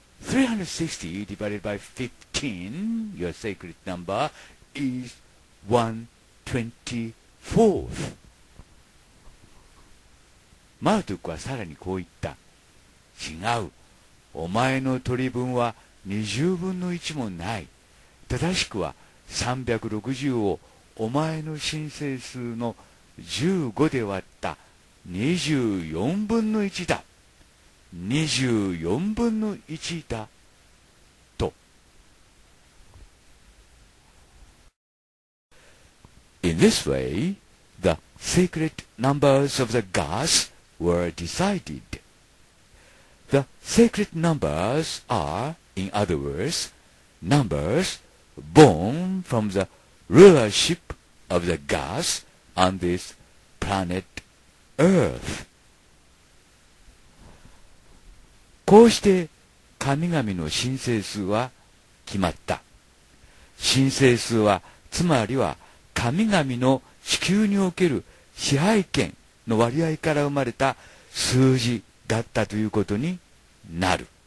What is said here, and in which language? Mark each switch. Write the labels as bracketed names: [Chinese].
[English] 360 divided by 15, your sacred number, is one twenty-fourth. [Japanese] マルドゥクはさらにこう言った。違う。お前の取り分は20分の1もない。正しくは360をお前の申請数の15で割った24分の1だ。 24分の1だ。と。 [English] In this way, the secret numbers of the gods were decided. The secret numbers are, in other words, numbers born from the rulership of the gods on this planet Earth. [Japanese] こうして神々の神聖数は決まった。神聖数はつまりは神々の地球における支配権の割合から生まれた数字だったということになる。